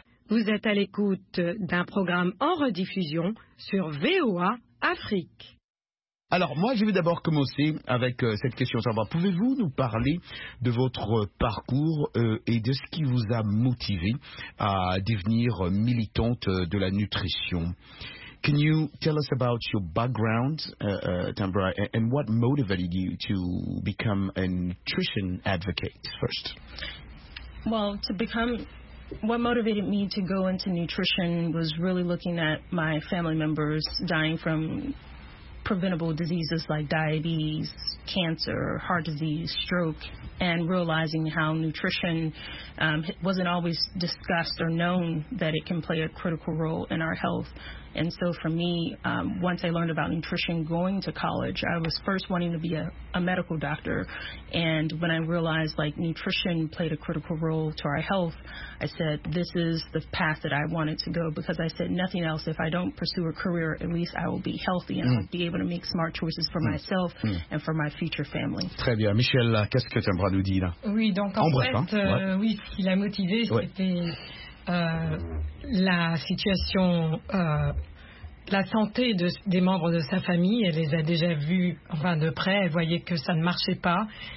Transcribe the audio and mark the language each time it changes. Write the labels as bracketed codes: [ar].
[fr] Vous êtes à l'écoute d'un programme en rediffusion sur VOA Afrique. Alors, moi, je vais d'abord commencer avec cette question. Tambra, pouvez-vous nous parler de votre parcours et de ce qui vous a motivé à devenir militante de la nutrition? [en] Can you tell us about your background, Tambra, and what motivated you to become a nutrition advocate first? Well, what motivated me to go into nutrition was really looking at my family members dying from preventable diseases like diabetes, cancer, heart disease, stroke, and realizing how nutrition wasn't always discussed or known that it can play a critical role in our health. And so for me, once I learned about nutrition going to college, I was first wanting to be a medical doctor. And when I realized like nutrition played a critical role to our health, I said, this is the path that I wanted to go, because I said, nothing else. If I don't pursue a career, at least I will be healthy and I'll be able to make smart choices for myself and for my future family. [fr] Très bien. Michel, qu'est-ce que tu aimerais nous dire là? Oui, donc en fait, ce qui l'a motivé, c'était... la situation, la santé des membres de sa famille, elle les a déjà vus enfin, de près, elle voyait que ça ne marchait pas.